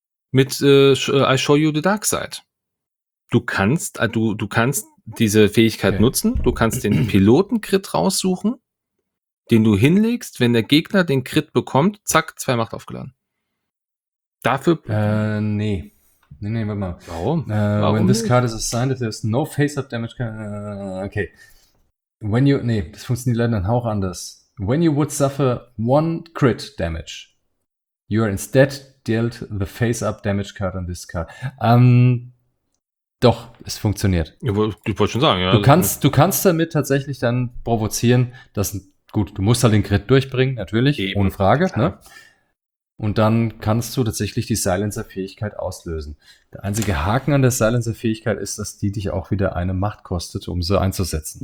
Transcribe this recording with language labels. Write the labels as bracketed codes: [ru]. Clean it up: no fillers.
[de] Mit I Show You the Dark Side. Du kannst diese Fähigkeit nutzen, du kannst den Piloten-Crit raussuchen, den du hinlegst, wenn der Gegner den Crit bekommt, zack, 2 Macht aufgeladen. Dafür. Nee. Nee, warte mal. Warum? Warum [en] when this card is assigned, if there's no face-up damage. [de] Okay. [en] When you, [de] nee, das funktioniert leider einen Hauch anders. [en] When you would suffer one crit damage, you are instead dealt the face-up damage card on this card. [de] Doch, es funktioniert. Ich wollte schon sagen, ja. Du kannst damit tatsächlich dann provozieren, dass, gut, du musst halt den Crit durchbringen, natürlich, eben, ohne Frage, ne? Und dann kannst du tatsächlich die Silencer-Fähigkeit auslösen. Der einzige Haken an der Silencer-Fähigkeit ist, dass die dich auch wieder eine Macht kostet, um sie einzusetzen.